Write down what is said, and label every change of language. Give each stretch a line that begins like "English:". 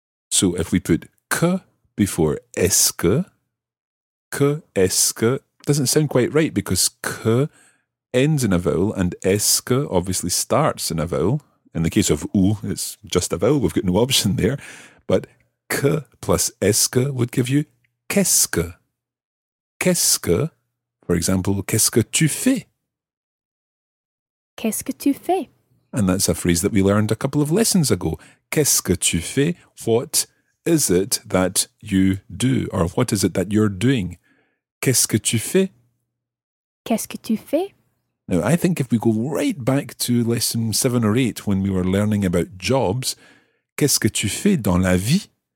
English: So if we put que before est-ce, que est-ce doesn't sound quite right because que ends in a vowel and est-ce obviously starts in a vowel. In the case of où, it's just a vowel. We've got no option there. But que plus est-ce would give you qu'est-ce.
French: Qu'est-ce, for example, qu'est-ce que tu fais? Qu'est-ce que tu fais?
English: And that's a phrase that we learned a couple of lessons ago.
French: Qu'est-ce que tu fais?
English: What is it that you do? Or what is it that you're doing?
French: Qu'est-ce que tu fais? Qu'est-ce que tu fais?
English: Now, I think if we go right back to lesson 7 or 8 when we were learning about jobs,
French: qu'est-ce que tu fais dans la vie?